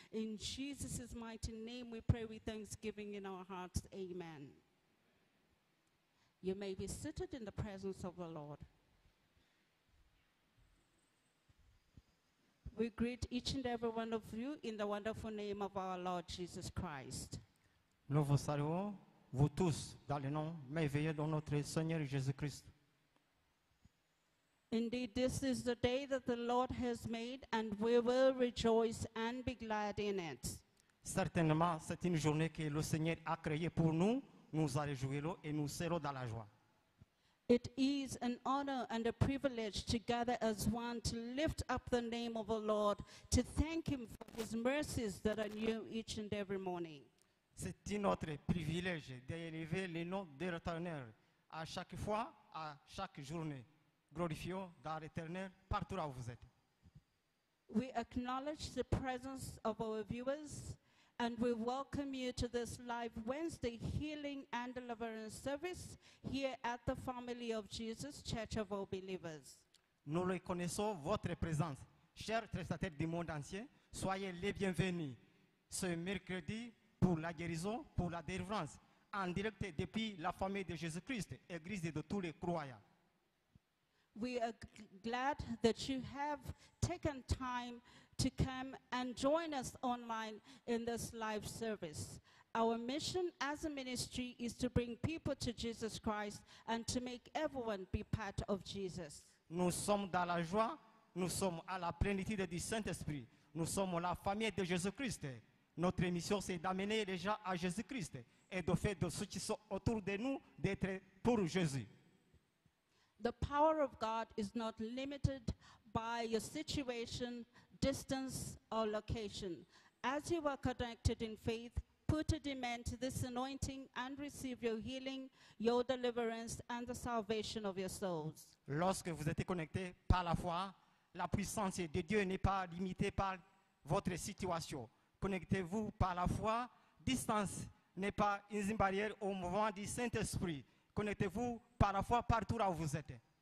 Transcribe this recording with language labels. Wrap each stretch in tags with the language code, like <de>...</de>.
<en>In Jesus' mighty name we pray with thanksgiving in our hearts. Amen. You may be seated in the presence of the Lord. We greet each and every one of you in the wonderful name of our Lord Jesus Christ.</en> <fr>Nous vous saluons, vous tous, dans le nom merveilleux de notre Seigneur Jésus Christ.</fr> <en>Indeed, this is the day that the Lord has made, and we will rejoice and be glad in it.</en> <fr>Certainement, c'est une journée que le Seigneur a créée pour nous. Nous allons jouer et nous serons dans la joie.</fr> <en>It is an honor and a privilege to gather as one to lift up the name of the Lord, to thank him for his mercies that are new each and every morning.</en> <fr>C'est un autre privilège d'élever le nom de l'Éternel à chaque fois, à chaque journée. Glorifions dans l'Éternel partout où vous êtes.</fr> <en>We acknowledge the presence of our viewers. And we welcome you to this live Wednesday healing and deliverance service here at the Family of Jesus Church of All Believers.</en> <fr>Nous reconnaissons votre présence, chers prestataires du monde entier. Soyez les bienvenus ce mercredi pour la guérison, pour la délivrance, en direct depuis la famille de Jésus-Christ, église de tous les croyants.</fr> <en>We are glad that you have taken time to come and join us online in this live service. Our mission as a ministry is to bring people to Jesus Christ and to make everyone be part of Jesus.</en> <fr>Nous sommes dans la joie, nous sommes à la plénitude du Saint-Esprit. Nous sommes la famille de Jésus-Christ. Notre mission c'est d'amener les gens à Jésus-Christ et de faire de ceux qui sont autour de nous d'être pour Jésus.</fr> <en>The power of God is not limited by your situation, distance, or location. As you are connected in faith, put a demand to this anointing and receive your healing, your deliverance, and the salvation of your souls.</en> <fr>Lorsque vous êtes connecté par la foi, la puissance de Dieu n'est pas limitée par votre situation. Connectez-vous par la foi, distance n'est pas une barrière au mouvement du Saint-Esprit. Connectez-vous par la foi partout où vous êtes.</fr>